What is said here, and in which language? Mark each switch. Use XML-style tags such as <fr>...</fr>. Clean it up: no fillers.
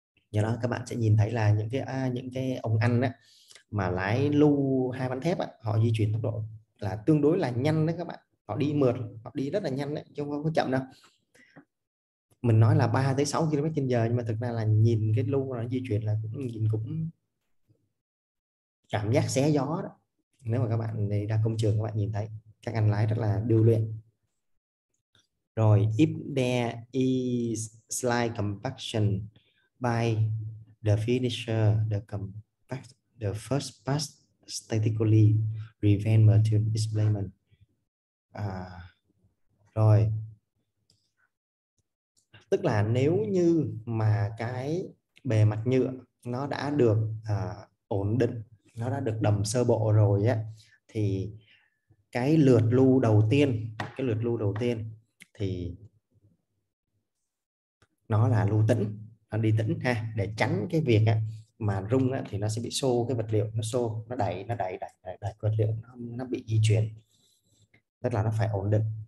<vi>Do đó các bạn sẽ nhìn thấy là những cái ông anh á mà lái lưu hai bánh thép á, họ di chuyển tốc độ là tương đối là nhanh đấy các bạn, họ đi mượt, họ đi rất là nhanh đấy chứ không có chậm đâu. Mình nói là 3 tới 6 km/h nhưng mà thực ra là nhìn cái lưu nó di chuyển là cũng nhìn cũng cảm giác xé gió đó. Nếu mà các bạn đi ra công trường các bạn nhìn thấy các anh lái rất là điêu luyện. Rồi,</vi> <en>if there is slight compaction by the finisher, the first pass statically prevent material displacement.</en> <vi>Rồi. Tức là nếu như mà cái bề mặt nhựa nó đã được ổn định, nó đã được đầm sơ bộ rồi á, thì cái lượt lưu đầu tiên thì nó là lưu tĩnh, nó đi tĩnh ha, để tránh cái việc á, mà rung á, thì nó sẽ bị xô cái vật liệu, nó xô, nó đẩy vật liệu, nó bị di chuyển, tức là nó phải ổn định.</vi>